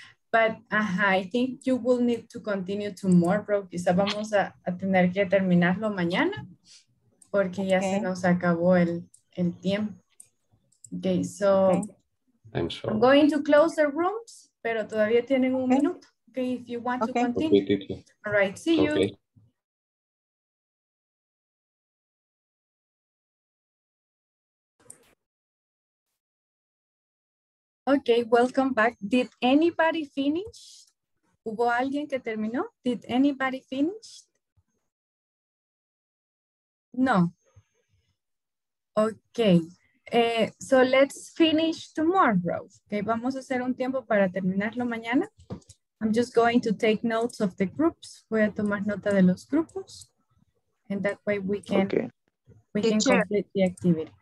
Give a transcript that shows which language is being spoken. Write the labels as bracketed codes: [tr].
[en] But I think you will need to continue tomorrow. [es] Quizá vamos a tener que terminarlo mañana porque okay. Ya se nos acabó el tiempo. [en] Okay, so okay. I'm sorry. I'm going to close the rooms, [es] pero todavía tienen un minuto. [en] Okay, if you want to continue. Okay. All right, see you. Okay, welcome back. Did anybody finish [es] ¿Hubo alguien que terminó? [en] Did anybody finish? No. Ok. So let's finish tomorrow. [es] Okay, vamos a hacer un tiempo para terminarlo mañana. [en] I'm just going to take notes of the groups. [es] Voy a tomar nota de los grupos. [en] And that way we can, okay, we can complete the activity.